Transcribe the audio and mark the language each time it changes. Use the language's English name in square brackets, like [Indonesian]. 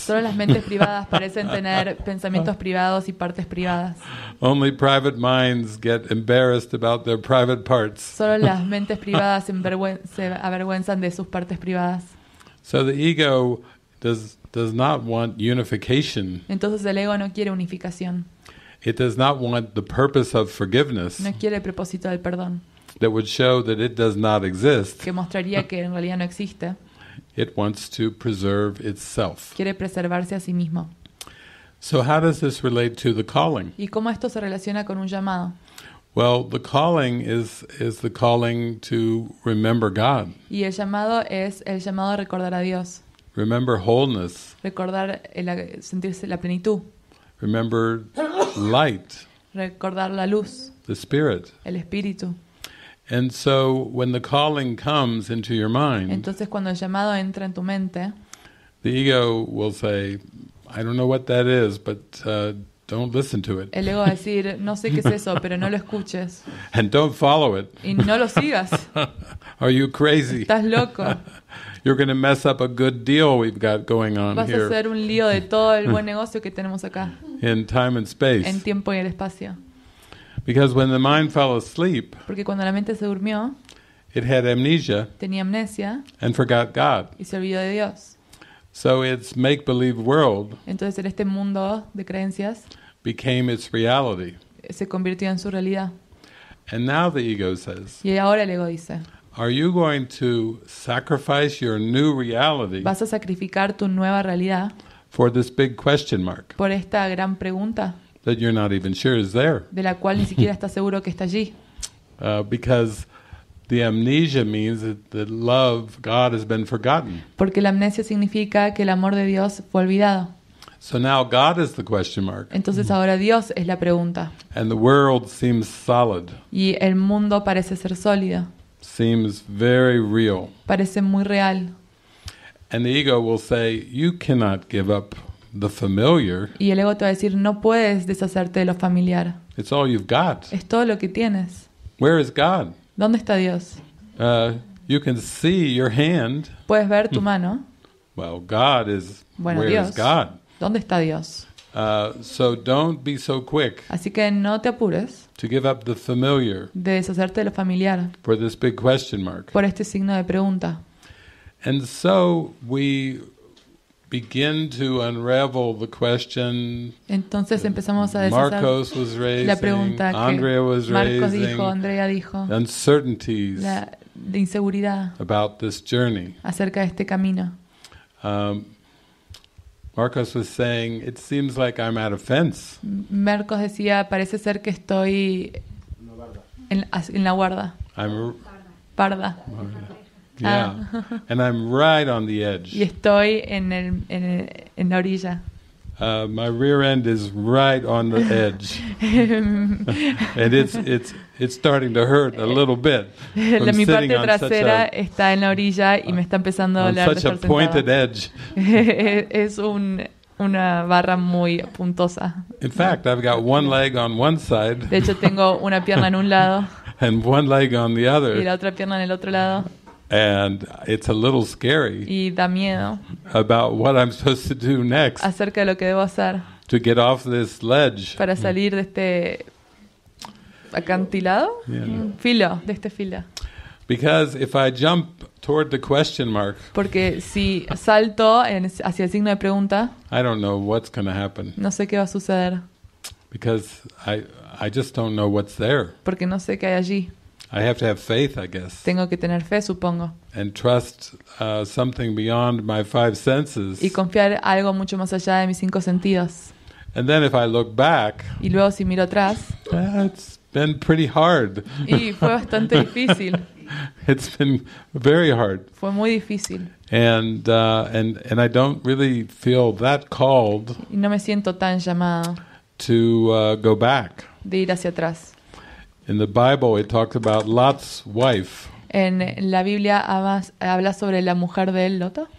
[Spanish] Solo las mentes privadas parecen tener pensamientos privados y partes privadas. [English] Only private minds get embarrassed about their private parts. [Spanish] Solo las mentes privadas se avergüenzan de sus partes privadas. [English] So the ego does not want unification. [Spanish] Entonces el ego no quiere unificación. [English] It does not want the purpose of forgiveness. [Spanish] No quiere el propósito del perdón. [English] That would show that it does not exist. [Spanish] Que mostraría que en realidad no existe. [English] It wants to preserve itself. [Spanish] Quiere preservarse a sí mismo. [English] So how does this relate to the calling? [Spanish] ¿Y cómo esto se relaciona con un llamado? [English] Well, the calling is the calling to remember God. [Spanish] Y el llamado es el llamado a recordar a Dios. [English] Remember wholeness. [Spanish] Recordar el sentirse la plenitud. [English] Remember light. [Spanish] Recordar la luz. [English] The spirit. [Spanish] El espíritu. [English] And so when the calling comes into your mind. [Spanish] Entonces cuando el llamado entra en tu mente. [English] The ego will say, I don't know what that is, but don't listen to it. [Spanish] El ego va a decir, no sé qué es eso, pero no lo escuches. [English] And don't follow it. [Spanish] Y no lo sigas. [English] Are you crazy? [Spanish] ¿Estás loco? [English] You're going to mess up a good deal we've got going on here. [Spanish] Vas a hacer un lío de todo el buen negocio que tenemos acá. [English] In time and space. [Spanish] En tiempo y el espacio. [English] Because when the mind fell asleep. [Spanish] Porque cuando la mente se durmió. [English] It had amnesia. [Spanish] Tenía amnesia. [English] And forgot God. [Spanish] Y se olvidó de Dios. [English] So its make-believe world. [Spanish] Entonces en este mundo de creencias. [English] Became its reality. [Spanish] Se convirtió en su realidad. [English] And now the ego says. [Spanish] Y ahora el ego dice. [English] Are you going to sacrifice your new reality? [Spanish] ¿Vas a sacrificar tu nueva realidad? [English] For this big question mark. [Spanish] Por esta gran pregunta. [English] That you're not even sure is there. [Spanish] De la cual ni siquiera estás seguro que está allí. [English] Because the amnesia means that love God has been forgotten. [Spanish] Porque la amnesia significa que el amor de Dios fue olvidado. [English] So now God is the question mark. [Spanish] Entonces ahora Dios es la pregunta. [English] And the world seems solid. [Spanish] Y el mundo parece ser sólido. [English] Seems very real. [Spanish] Parece muy real. [English] And the ego will say, "You cannot give up the familiar." [Spanish] Y el ego te va a decir, "No puedes deshacerte de lo familiar." [English] It's all you've got. [Spanish] Es todo lo que tienes. [English] Where is God? [Spanish] ¿Dónde está Dios? [English] You can see your hand. [Spanish] Puedes ver tu mano. [English] Well, God is. [Spanish] Bueno, [English] where [Spanish] Dios, [English] is God? [Spanish] ¿Dónde está Dios? [English] So don't be so quick. [Spanish] Así que no te apures. [English] To give up the familiar. [Spanish] De deshacerte de lo familiar. [English] For this big question mark. [Spanish] Por este signo de pregunta. [English] And so we begin to unravel the question. [Spanish] Entonces empezamos a deshacer. [English] Marcos was raising. [Spanish] La pregunta que [English] Andrea was raising. [Spanish] Marcos dijo, Andrea dijo. [English] The uncertainties. [Spanish] La de inseguridad. [English] About this journey. [Spanish] Acerca de este camino. [English] Marcos was saying, "It seems like I'm at a fence." [Spanish] Marcos decía, parece ser que estoy en la guarda. [English] I'm [Spanish] parda. [English] Yeah, and I'm right on the edge. [Spanish] Y estoy en la orilla. [English] My rear end is right on the edge, and it's starting to hurt a little bit. [Spanish] Mi parte trasera está en la orilla y me está empezando a doler. [English] Such a pointed edge. [Spanish] Es una barra muy puntosa. [English] In fact, I've got one leg on one side. [Spanish] De hecho, tengo una pierna en un lado. [English] And one leg on the other. [Spanish] Y la otra pierna en el otro lado. [English] And it's a little scary. [Spanish] Y da miedo. [English] About what I'm supposed to do next. [Spanish] Acerca de lo que debo hacer. [English] To get off this ledge. [Spanish] Para salir de este acantilado. [English] Yeah. [Spanish] Filo, de este filo. [English] Because if I jump toward the question mark, [Spanish] porque si salto hacia el signo de pregunta, [English] I don't know what's going to happen. [Spanish] No sé qué va a suceder. [English] Because I just don't know what's there. [Spanish] Porque no sé qué hay allí. [English] I have to have faith, I guess. [Spanish] Tengo que tener fe, supongo. [English] And trust something beyond my five senses. [Spanish] Y confiar algo mucho más allá de mis cinco sentidos. [English] And then if I look back, [Spanish] y luego si miro atrás, [English] it's been pretty hard. [Spanish] Y fue bastante difícil. [English] It's been very hard. [Spanish] Fue muy difícil. [English] And I don't really feel that called. [Spanish] Y no me siento tan llamado. [English] To go back. [Spanish] De ir hacia atrás. [English] In the Bible, it talks about Lot's wife. [Spanish] En la Biblia habla sobre la mujer de Lot.